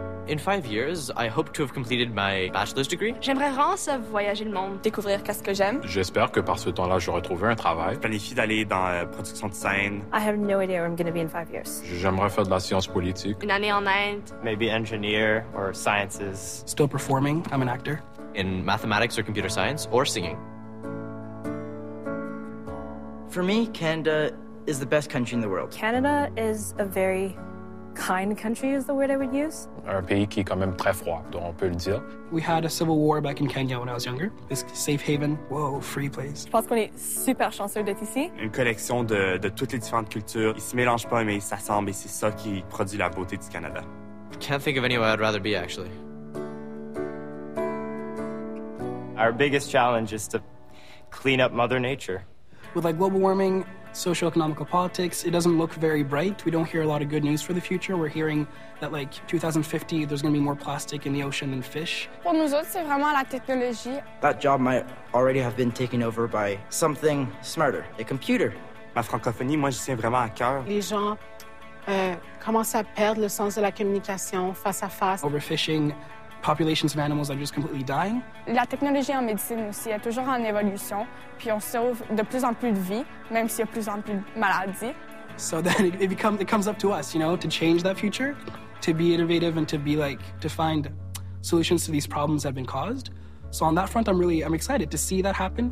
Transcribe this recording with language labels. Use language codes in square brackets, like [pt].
[en] In 5 years, I hope to have completed my bachelor's degree. [fr] J'aimerais vraiment voyager le monde, découvrir qu'est-ce que j'aime. J'espère que par ce temps-là, j'aurai trouvé un travail. Je planifie d'aller dans la production de scène. [en] I have no idea where I'm going to be in 5 years. [fr] J'aimerais faire de la science politique. Une année en Inde. [en] Maybe engineer or sciences. Still performing, I'm an actor. In mathematics or computer science or singing. For me, Canada is the best country in the world. Canada is a very kind country is the word I would use. [fr] Un pays qui est quand même très froid, donc on peut le dire. [en] We had a civil war back in Kenya when I was younger. This safe haven, whoa, free place. [fr] Je pense qu'on est super chanceux d'être ici. Une collection de toutes les différentes cultures. Ils se mélangent pas, mais ils s'assemblent, et c'est ça qui produit la beauté du Canada. [en] I can't think of anywhere I'd rather be, actually. Our biggest challenge is to clean up Mother Nature. With like global warming, socio-economical politics, it doesn't look very bright. We don't hear a lot of good news for the future. We're hearing that, like, 2050, there's going to be more plastic in the ocean than fish. [fr] Pour nous autres, c'est vraiment la technologie. [en] That job might already have been taken over by something smarter, a computer. [fr] Ma francophonie, moi, j'y tiens vraiment à cœur. Les gens commencent à perdre le sens de la communication face à face. [en] Overfishing, populations of animals are just completely dying. [fr] La technologie en médecine aussi est toujours en évolution, puis on sauve de plus en plus de vies, même s'il y a de plus en plus de maladies. [en] So then it comes up to us, you know, to change that future, to be innovative and to be like, to find solutions to these problems that have been caused. So on that front, I'm excited to see that happen.